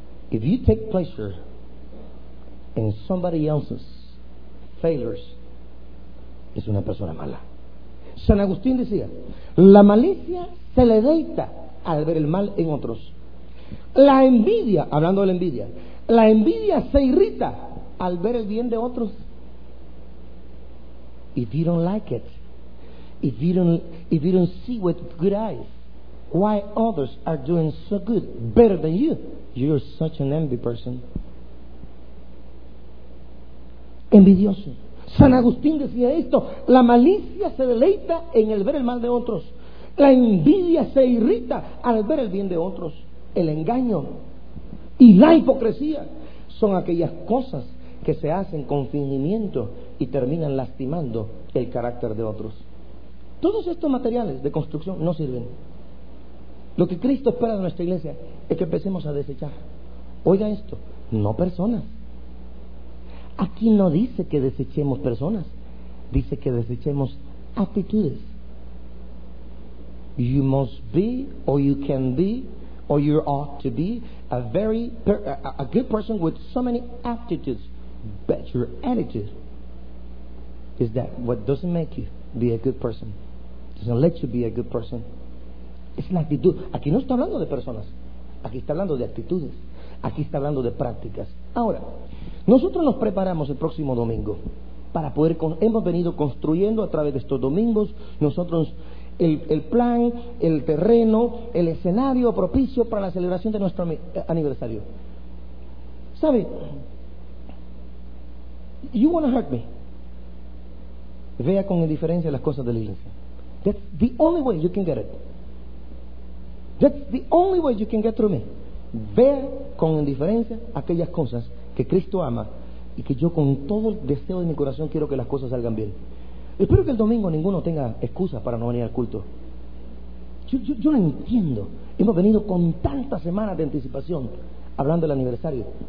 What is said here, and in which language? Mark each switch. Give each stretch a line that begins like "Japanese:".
English: If you take pleasure in somebody else's failures,
Spanish: es una persona mala. San Agustín decía: la malicia se deleita al ver el mal en otros. La envidia, hablando de la envidia se irrita al ver el bien de otros.
English: If you don't like it, if you don't see with good eyes, why others are doing so good, better than you. You're such an envy person.
Spanish: Envidioso. San Agustín decía esto: la malicia se deleita en el ver el mal de otros, la envidia se irrita al ver el bien de otros. El engaño y la hipocresía son aquellas cosas que se hacen con fingimiento y terminan lastimando el carácter de otros. Todos estos materiales de construcción no sirven. Lo que Cristo espera de nuestra iglesia es que empecemos a desechar. Oiga esto, no personas. Aquí no dice que desechemos personas, dice que desechemos actitudes.
English: You must be, or you can be, or you ought to be a good person with so many aptitudes, but your attitude is that what doesn't make you be a good person, doesn't let you be a good person.
Spanish: Es la actitud. Aquí no está hablando de personas, aquí está hablando de actitudes, aquí está hablando de prácticas. Ahora, nosotros nos preparamos el próximo domingo para poder, hemos venido construyendo a través de estos domingos nosotros el plan, el terreno, el escenario propicio para la celebración de nuestro aniversario. ¿Sabe?
English: You wanna hurt me?
Spanish: Vea con indiferencia las cosas de la iglesia.
English: That's the only way you can get it. That's the only way you can get through me.
Spanish: Vea con indiferencia aquellas cosas que Cristo ama y que yo con todo el deseo de mi corazón quiero que las cosas salgan bien. Espero que el domingo ninguno tenga excusa para no venir al culto. Yo no entiendo. Hemos venido con tantas semanas de anticipación hablando del aniversario.